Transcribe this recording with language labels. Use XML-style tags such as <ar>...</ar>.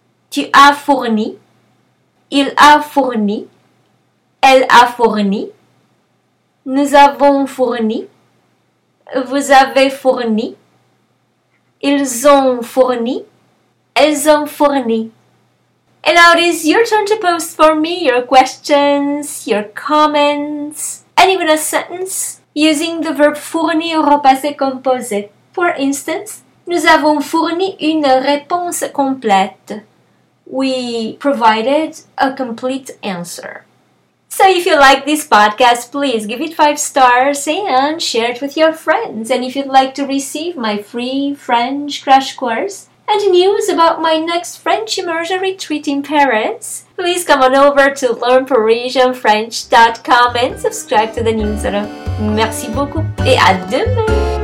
<fr>Tu as fourni, il a fourni, elle a fourni, nous avons fourni, vous avez fourni, ils ont fourni, elles ont fourni.</fr> <en>And now it is your turn to post for me your questions, your comments, and even a sentence using the verb fournir</en> <fr>au passé composé.</fr> <en>For instance,</en> <fr>nous avons fourni une réponse complète.</fr> <en>We provided a complete answer. So if you like this podcast, please give it 5 stars and share it with your friends. And if you'd like to receive my free French crash course and news about my next French immersion retreat in Paris, please come on over to learnparisianfrench.com and subscribe to the newsletter.</en> <fr>Merci beaucoup et à demain!</fr>